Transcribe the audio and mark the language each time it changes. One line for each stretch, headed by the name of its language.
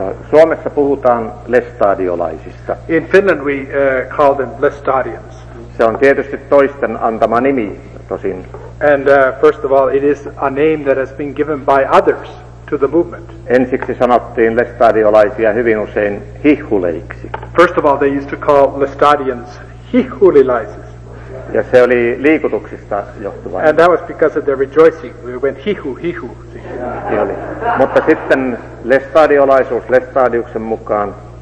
Finnish: Suomessa puhutaan lestadiolaisista.
English: In Finland we call them Lestadians.
Finnish: Se on tietysti toisten antama nimi, tosin.
English: And first of all, it is a name that has been given by others to the movement.
Finnish: Ensiksi sanottiin lestadiolaisia hyvin usein hihhuleiksi.
English: First of all, they used to call Lestadians hihhulilaisis.
Finnish: Ja se oli liikutuksista johtuvaa.
English: And that was because of their rejoicing. We went hihu, hihu.
Finnish: Mutta sitten lestadiolaisuus lestadiuksen mukaan.